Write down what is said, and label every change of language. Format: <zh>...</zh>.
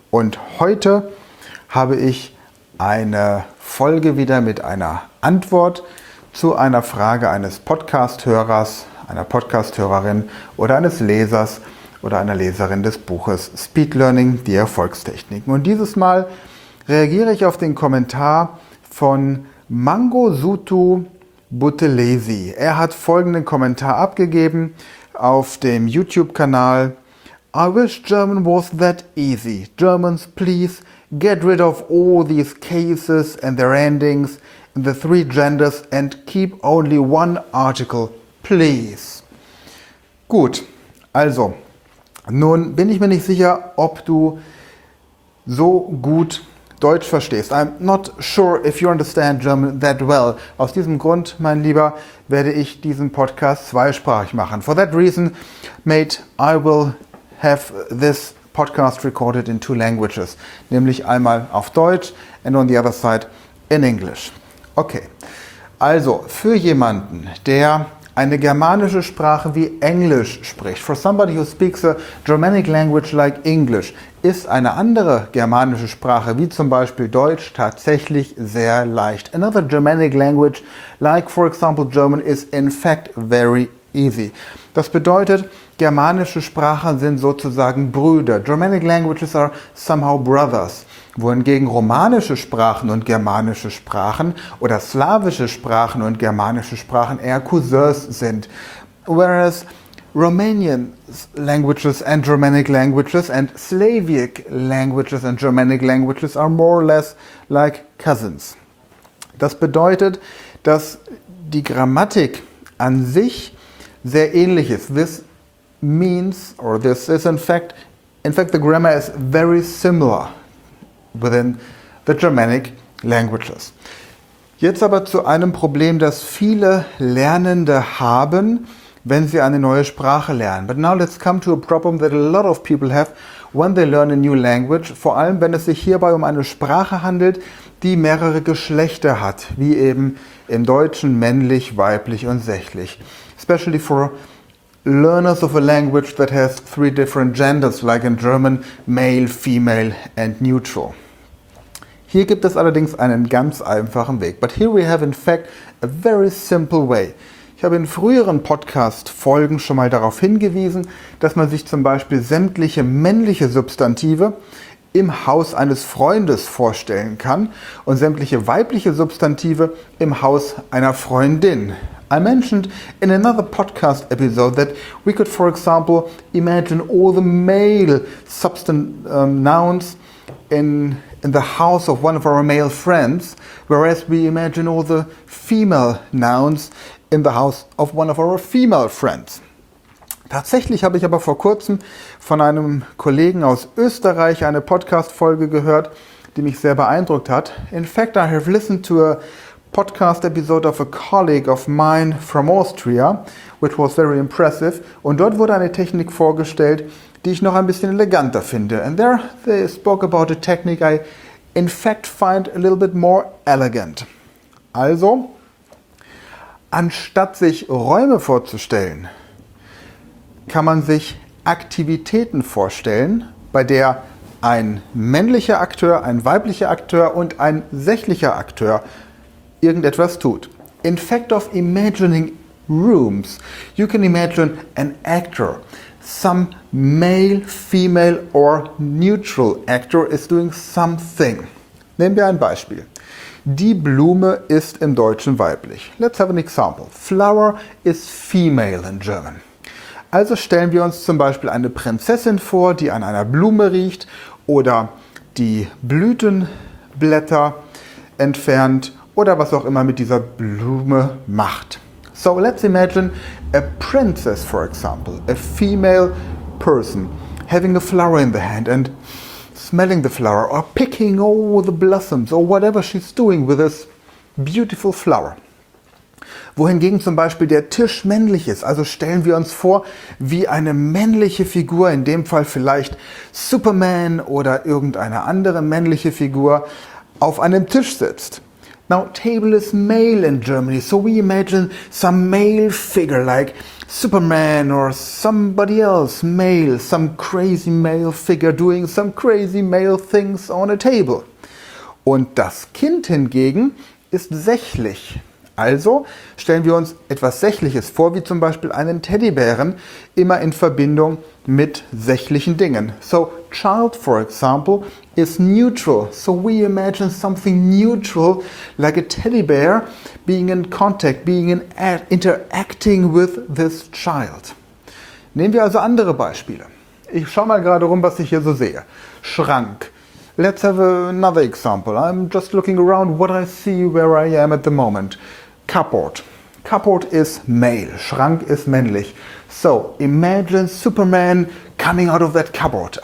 <de>Und heute habe ich eine Folge wieder mit einer Antwort zu einer Frage eines Podcast-Hörers, einer Podcast-Hörerin oder eines Lesers oder einer Leserin des Buches Speed Learning, die Erfolgstechniken. Und dieses Mal reagiere ich auf den Kommentar von Mangosuthu Buthelezi. Er hat folgenden Kommentar abgegeben auf dem YouTube-Kanal.</de> <en>I wish German was that easy. Germans, please get rid of all these cases and their endings in the three genders and keep only one article, please.</en> <de>Gut, also, nun bin ich mir nicht sicher, ob du so gut Deutsch verstehst.</de> <en>I'm not sure if you understand German that well.</en> <de>Aus diesem Grund, mein Lieber, werde ich diesen Podcast zweisprachig machen.</de> <en>For that reason, mate, I will have this podcast recorded in two languages.</en> <de>Nämlich einmal auf Deutsch</de> <en>and on the other side in English.</en> <de>Okay, also für jemanden, der eine germanische Sprache wie Englisch spricht.</de> <en>For somebody who speaks a Germanic language like English,</en> <de>ist eine andere germanische Sprache, wie zum Beispiel Deutsch, tatsächlich sehr leicht.</de> <en>Another Germanic language, like for example German, is in fact very easy.</en> <de>Das bedeutet, germanische Sprachen sind sozusagen Brüder.</de> <en>Germanic languages are somehow brothers.</en> <de>Wohingegen romanische Sprachen und germanische Sprachen oder slawische Sprachen und germanische Sprachen eher Cousins sind.</de> <en>Whereas Romanian languages and Germanic languages and Slavic languages and Germanic languages are more or less like cousins.</en> <de>Das bedeutet, dass die Grammatik an sich sehr ähnlich ist.</de> <en>This means, or this is in fact the grammar is very similar within the Germanic languages.</en> <de>Jetzt aber zu einem Problem, das viele Lernende haben, wenn sie eine neue Sprache lernen.</de> <en>But now let's come to a problem that a lot of people have when they learn a new language,</en> <de>vor allem wenn es sich hierbei um eine Sprache handelt, die mehrere Geschlechter hat, wie eben im Deutschen männlich, weiblich und sächlich.</de> <en>Especially for learners of a language that has three different genders, like in German, male, female and neutral.</en> <de>Hier gibt es allerdings einen ganz einfachen Weg.</de> <en>But here we have in fact a very simple way.</en> <de>Ich habe in früheren Podcast-Folgen schon mal darauf hingewiesen, dass man sich zum Beispiel sämtliche männliche Substantive im Haus eines Freundes vorstellen kann und sämtliche weibliche Substantive im Haus einer Freundin.</de> <en>I mentioned in another podcast episode that we could, for example, imagine all the male nouns in the house of one of our male friends, whereas we imagine all the female nouns in the house of one of our female friends.</en> <de>Tatsächlich habe ich aber vor kurzem von einem Kollegen aus Österreich eine Podcast-Folge gehört, die mich sehr beeindruckt hat.</de> <en>In fact, I have listened to a podcast episode of a colleague of mine from Austria, which was very impressive.</en> <de>Und dort wurde eine Technik vorgestellt, die ich noch ein bisschen eleganter finde.</de> <en>And there they spoke about a technique I in fact find a little bit more elegant.</en> <de>Also, anstatt sich Räume vorzustellen, kann man sich Aktivitäten vorstellen, bei der ein männlicher Akteur, ein weiblicher Akteur und ein sächlicher Akteur irgendetwas tut.</de> <en>In fact of imagining rooms, you can imagine an actor. Some male, female or neutral actor is doing something.</en> <de>Nehmen wir ein Beispiel. Die Blume ist im Deutschen weiblich.</de> <en>Let's have an example. Flower is female in German.</en> <de>Also stellen wir uns zum Beispiel eine Prinzessin vor, die an einer Blume riecht oder die Blütenblätter entfernt oder was auch immer mit dieser Blume macht.</de> <en>So let's imagine a princess, for example, a female person having a flower in the hand and smelling the flower or picking all the blossoms or whatever she's doing with this beautiful flower.</en> <de>Wohingegen zum Beispiel der Tisch männlich ist. Also stellen wir uns vor, wie eine männliche Figur, in dem Fall vielleicht Superman oder irgendeine andere männliche Figur, auf einem Tisch sitzt.</de> <en>Now, table is male in Germany, so we imagine some male figure like Superman or somebody else male, some crazy male figure doing some crazy male things on a table.</en> <de>Und das Kind hingegen ist sächlich. Also stellen wir uns etwas Sächliches vor, wie zum Beispiel einen Teddybären, immer in Verbindung mit sächlichen Dingen.</de> <en>So, child, for example, is neutral. So we imagine something neutral, like a teddy bear, being in contact, being in interacting with this child.</en> <de>Nehmen wir also andere Beispiele. Ich schau mal gerade rum, was ich hier so sehe. Schrank.</de> <en>Let's have another example. I'm just looking around what I see where I am at the moment. Cupboard. Cupboard is male.</en> <de>Schrank ist männlich.</de> <en>So, imagine Superman coming out of that cupboard.</en>